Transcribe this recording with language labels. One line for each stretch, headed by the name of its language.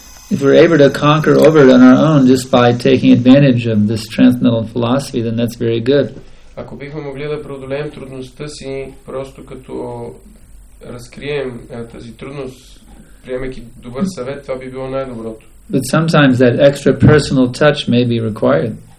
English: If we're able to conquer over it on our own just by taking advantage of this transcendental philosophy, then that's very good.
Bulgarian: Ако бихме могли да преодолеем трудността си, просто като разкрием тази трудност, приемайки добър съвет, това би било най-доброто.
English: But sometimes that extra personal touch may be required.